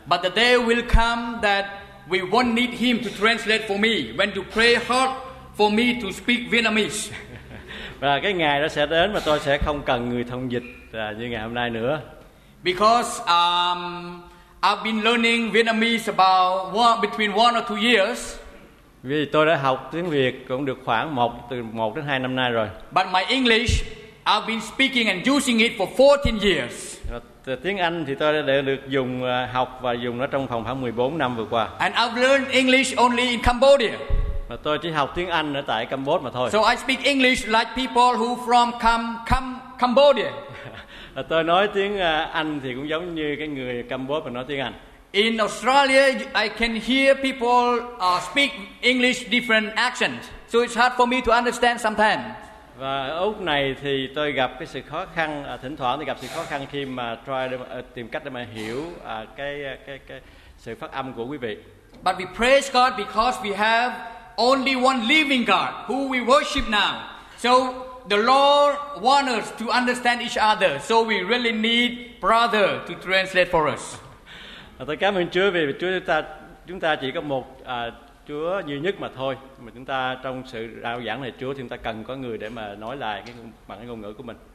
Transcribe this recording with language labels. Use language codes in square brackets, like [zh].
[en] But the day will come that we won't need him to translate for me when to pray hard for me to speak Vietnamese. [vi] Và cái ngày đó sẽ đến mà tôi sẽ không cần người thông dịch như ngày hôm nay nữa. [en] Because I've been learning Vietnamese about between 1 or 2 years. [vi] Vì tôi đã học tiếng Việt cũng được khoảng từ 1 đến 2 năm nay rồi. [en] But my English, I've been speaking and using it for 14 years. [vi] Tiếng Anh thì tôi đã được dùng học và dùng nó trong khoảng 14 năm vừa qua. [en] And I've learned English only in Cambodia. [vi] Và tôi chỉ học tiếng Anh ở tại Cambodia mà thôi. [en] So I speak English like people who from Cambodia. [vi] Và tôi nói tiếng Anh thì cũng giống như cái người Cambodia nói tiếng Anh. [en] In Australia, I can hear people speak English different accents, so it's hard for me to understand sometimes. [vi] Và ở Úc này thì tôi gặp cái sự khó khăn, thỉnh thoảng thì gặp sự khó khăn khi mà tìm cách để mà hiểu cái sự phát âm của quý vị. [en] But we praise God because we have only one living God who we worship now. So the Lord wants us to understand each other, so we really need brother to translate for us. [vi] Tôi cảm ơn Chúa vì chúng ta chỉ có một Chúa duy nhất mà thôi. Mà chúng ta trong sự rao giảng này Chúa thì chúng ta cần có người để mà nói lại bằng cái ngôn ngữ của mình.